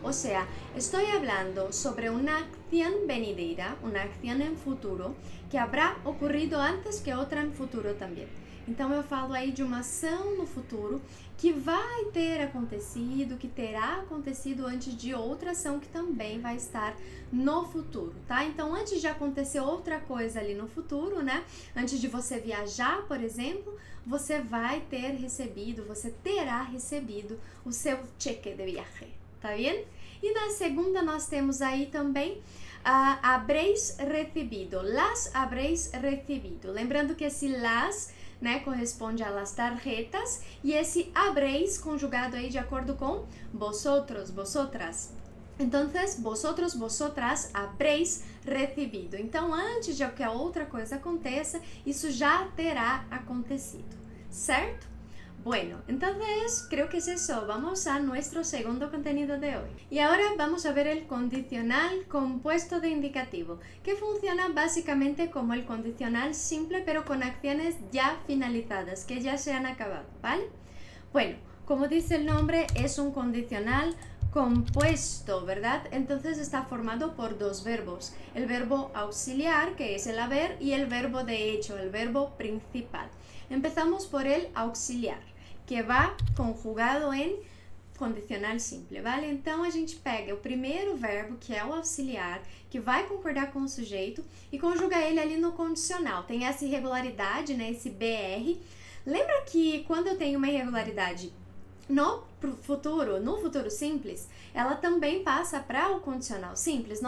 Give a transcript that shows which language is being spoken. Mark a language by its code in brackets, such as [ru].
[es] O sea, estoy hablando sobre una acción venidera, una acción en futuro, que habrá ocurrido antes que otra en futuro también. Entonces, yo [pt] falo [es] ahí de una acción no futuro que va a [pt] ter acontecido, que terá acontecido [es] antes de otra acción que también va a estar [pt] no futuro, [es] ¿tá? Entonces, antes de acontecer otra cosa [pt] ali no futuro, ¿né? Antes de você viajar, [es] por ejemplo, [pt] você vai ter recebido, você terá recebido o seu [es] cheque de viaje, ¿tá bien? Y [pt] na segunda, nós temos [es] ahí también. Habréis recibido, las habréis recibido. [pt] Lembrando que [es] si las [pt] né, [es] corresponde a las tarjetas, [pt] e esse habréis conjugado aí de acordo com vosotros, vosotras. [es] Entonces, vosotros, vosotras, habréis recibido. [pt] Então, antes de qualquer outra coisa aconteça, isso já terá acontecido, certo? [es] Bueno, entonces, creo que es eso. Vamos a nuestro segundo contenido de hoy. Y ahora vamos a ver el condicional compuesto de indicativo, que funciona básicamente como el condicional simple, pero con acciones ya finalizadas, que ya se han acabado, ¿vale? Bueno, como dice el nombre, es un condicional compuesto, ¿verdad? Entonces está formado por dos verbos, el verbo auxiliar, que es el haber, y el verbo de hecho, el verbo principal. Empezamos por el auxiliar, que va conjugado en condicional simple, ¿vale? [pt] Então a gente pega o primeiro verbo, que é o auxiliar, que vai concordar com o sujeito, e conjuga ele ali no condicional. Tem essa irregularidade, né? Esse BR. Lembra que quando eu tenho uma irregularidade no futuro simples, ela também passa para o condicional simples.